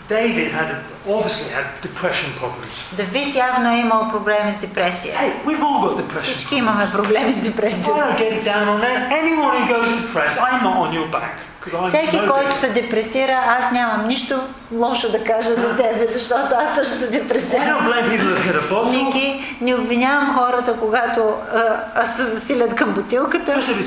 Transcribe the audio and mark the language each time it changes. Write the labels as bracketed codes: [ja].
[en] David had obviously had depression problems. [bg] Давид явно е имал проблеми с депресия. [en] Hey, we've all got depression. [bg] Всички имаме проблеми с депресия. [en] Don't get down on that. Anyone who goes depressed, I'm not on your back. [bg] Всеки, който се депресира, аз нямам нищо лошо да кажа за тебе, защото аз също се депресирам. Всеки, не обвинявам хората, когато се засилят към бутилката.